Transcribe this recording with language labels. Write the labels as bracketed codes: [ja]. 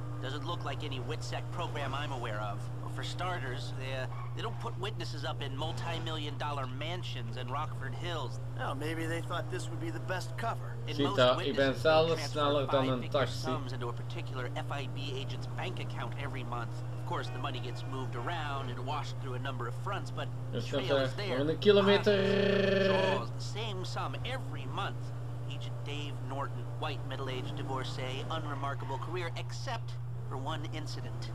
[en] Doesn't look like any WITSEC program I'm aware of. Well, for starters, they don't put witnesses up in multi-million dollar mansions in Rockford Hills. Well, maybe they thought this would be the best cover. [nl] Cita, ik ben zelfs sneller dan een taxi. [en] Into a particular FIB agent's bank account every month. Of course, the money gets moved around and washed through a number of fronts, but the trail is there. [nl] Een kilometer. [en] The same sum every month. Agent Dave Norton, white middle-aged divorcee, unremarkable career, except for one incident.